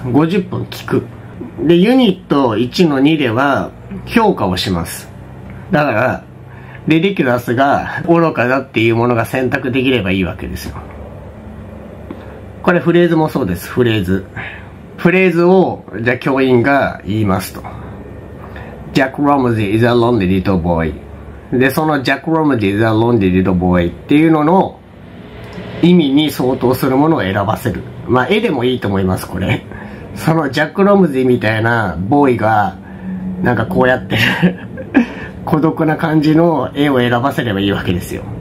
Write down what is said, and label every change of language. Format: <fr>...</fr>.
<ja>50分聞く。で、ユニット1の2では評価をします。だから、で、リキュラスが愚かだっていうものが選択できればいいわけですよ。これフレーズもそうです、フレーズ。フレーズを、じゃあ教員が言いますと。</ja> <en>Jack Ramsey is a lonely little boy.</en> <ja>で、その</ja> <en>Jack Ramsey is a lonely little boy</en> <ja>っていうのの意味に相当するものを選ばせる。まあ、絵でもいいと思います、これ。その Jack Ramsey みたいなボーイが、なんかこうやってる孤独な感じの絵を選ばせればいいわけですよ。</ja>